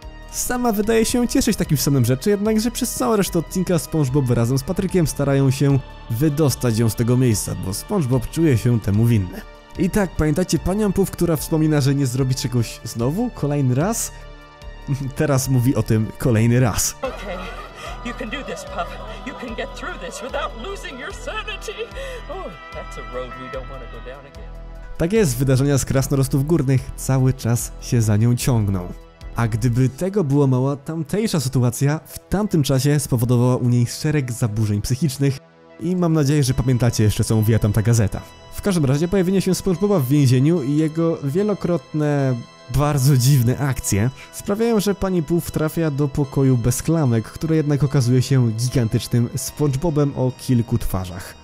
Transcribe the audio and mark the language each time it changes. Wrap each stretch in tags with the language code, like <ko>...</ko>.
<pl>Sama wydaje się cieszyć takim stanem rzeczy, jednakże przez całą resztę odcinka SpongeBob razem z Patrykiem starają się wydostać ją z tego miejsca, bo SpongeBob czuje się temu winny. I tak, pamiętacie panią Puff, która wspomina, że nie zrobi czegoś znowu, kolejny raz? Teraz mówi o tym kolejny raz.</pl> <en>Okay. You can do this, Puff. You can get through this without losing your sanity. Oh, that's a road we don't want to go down again.</en> <pl>Tak jest, wydarzenia z krasnorostów górnych cały czas się za nią ciągną. A gdyby tego było mało, tamtejsza sytuacja w tamtym czasie spowodowała u niej szereg zaburzeń psychicznych i mam nadzieję, że pamiętacie jeszcze, co mówiła tamta gazeta. W każdym razie pojawienie się SpongeBoba w więzieniu i jego wielokrotne, bardzo dziwne akcje sprawiają, że pani Puff trafia do pokoju bez klamek, które jednak okazuje się gigantycznym SpongeBobem o kilku twarzach.</pl>